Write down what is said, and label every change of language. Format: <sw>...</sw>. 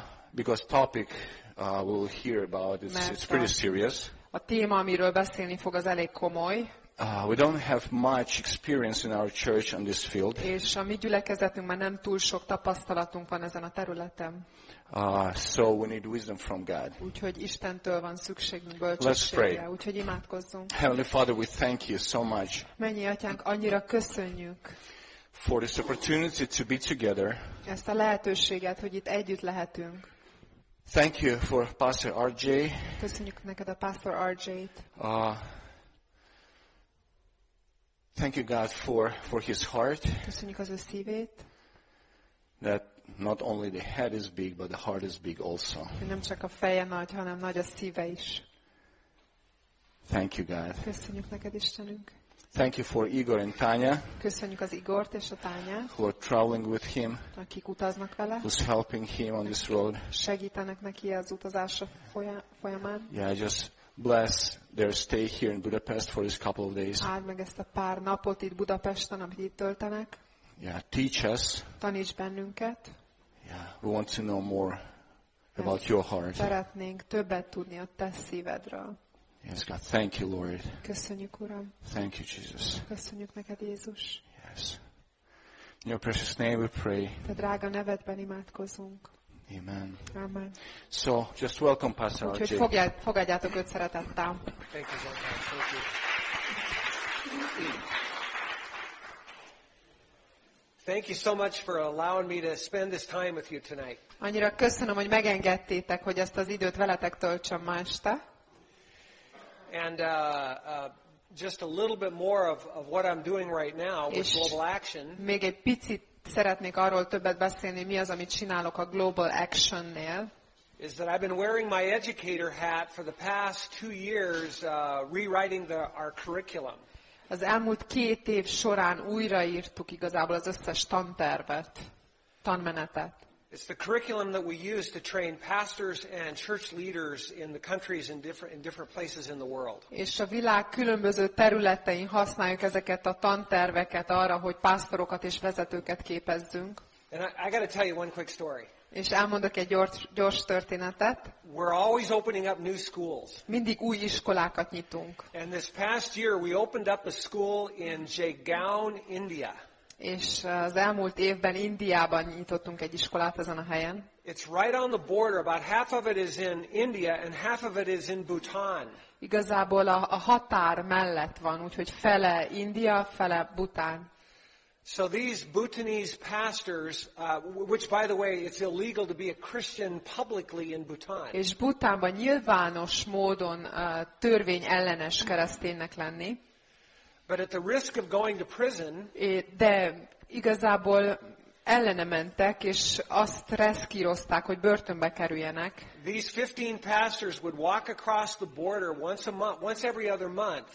<en>Because topic we'll hear about it's pretty serious.</en> <hu>A téma, amiről beszélni fog, az elég komoly.</hu> <en>We don't have much experience in our church on this field.</en> <hu>És a mi gyülekezetünkben nem túl sok tapasztalatunk van ezen a területen.</hu> <en>So we need wisdom from God.</en> <hu>Úgyhogy Istentől van szükségünk bölcsességre. Úgyhogy imádkozzunk.</hu> <en>Heavenly Father, we thank you so much.</en> <hu>Mennyi atyánk, annyira köszönjük.</hu> <en>For this opportunity to be together.</en> <hu>Ezt a lehetőséget, hogy itt együtt lehetünk.</hu> <en>Thank you for Pastor RJ.</en> <hu>Köszönjük neked a Pastor RJ-t.</hu> <en>Thank you God for his heart.</en> <hu>Köszönjük az ő szívét.</hu> <en>That not only the head is big, but the heart is big also.</en> <hu>Nem csak a feje nagy, hanem nagy a szíve is.</hu> <en>Thank you God.</en> <hu>Köszönjük neked Istenünk.</hu> <en>Thank you for Igor and Tanya.</en> <hu>Köszönjük az Igort és a Tanyát.</hu> <en>Who are traveling with him.</en> <hu>Akik utaznak vele.</hu> <en>Who's helping him on this road.</en> <hu>Segítenek neki az utazása folyamán.</hu> <en>Yeah, just bless their stay here in Budapest for this couple of days.</en> <hu>Áld meg ezt a pár napot itt Budapesten, amit itt töltenek.</hu> <en>Yeah, teach us.</en> <hu>Taníts bennünket.</hu> <en>Yeah, we want to know more about your heart.</en> <hu>Szeretnénk többet tudni a te szívedről.</hu> <en>Yes, God, thank you, Lord.</en> <hu>Köszönjük, Uram.</hu> <en>Thank you, Jesus.</en> <hu>Köszönjük neked, Jézus.</hu> <en>Yes. In your precious name we pray.</en> <hu>Te drága nevedben imádkozunk.</hu> <en>Amen.</en> <hu>Amen.</hu> <en>So, just welcome Pastor RJ.</en> <hu>Fogadjátok őt szeretettel.</hu> <en>Thank you, Zoltán. Thank you. Thank you so much for allowing me to spend this time with you tonight.</en> <hu>Annyira köszönöm, hogy megengedtétek, hogy ezt az időt veletek töltsem ma este.</hu> <en>And just a little bit more of what I'm doing right now with Global Action.</en> <hu>Még egy picit szeretnék arról többet beszélni, mi az, amit csinálok a Global Action-nél.</hu> <en>is that I've been wearing my educator hat for the past 2 years rewriting our curriculum.</en> <hu>Az elmúlt két év során újraírtuk igazából az összes tantervet, tanmenetet.</hu> <en>It's the curriculum that we use to train pastors and church leaders in the countries in different places in the world.</en> <hu>És a világ különböző területein használjuk ezeket a tanterveket arra, hogy pásztorokat és vezetőket képezzünk.</hu> <en>And I got to tell you one quick story.</en> <hu>És elmondok egy gyors történetet.</hu> <en>We're always opening up new schools.</en> <hu>Mindig új iskolákat nyitunk.</hu> <en>And this past year we opened up a school in Jaigaon, India.</en> <hu>És az elmúlt évben Indiában nyitottunk egy iskolát ezen a helyen.</hu> <en>It's right on the border, about half of it is in India and half of it is in Bhutan.</en> <hu>Igazából a határ mellett van, úgyhogy fele India, fele Bhutan.</hu> <en>So these Bhutanese pastors, which by the way, it's illegal to be a Christian publicly in Bhutan.</en> <hu>És Bhutánban nyilvános módon törvényellenes kereszténynek lenni.</hu> <en>But at the risk of going to prison,</en> <hu>de igazából ellene mentek, és azt reszkírozták, hogy börtönbe kerüljenek.</hu> <en>These 15 pastors would walk across the border once every other month.</en>